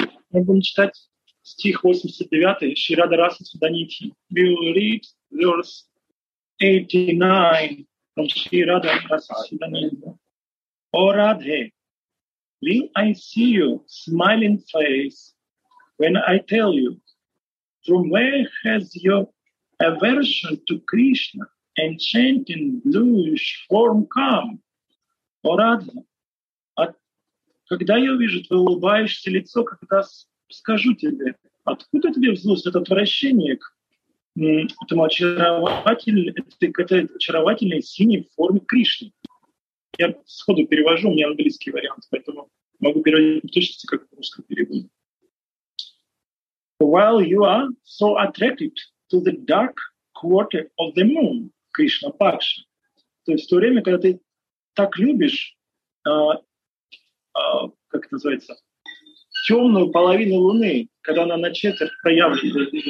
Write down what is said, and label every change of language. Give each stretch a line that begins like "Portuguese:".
Russian: Мы будем читать стих 89, Шри Радха Раса Судханидхи.
English: We will read verse 89 from Шри Радха Раса Судханидхи. O Radhe, when I see your smiling face, when I tell you, from where has your aversion to Krishna enchanting bluish form come?
Russian: O Radhe, когда я вижу твое улыбающееся лицо, когда скажу тебе, откуда тебе взялось это отвращение к этому очаровательной синей форме Кришны? Я сходу перевожу, у меня английский вариант, поэтому могу переводить в точности, как в русском переводе.
English: While you are so attracted to the dark quarter of the moon, Krishna Pakshi.
Russian: То есть в то время, когда ты так любишь как это называется, темную половину Луны, когда она на четверть проявлена.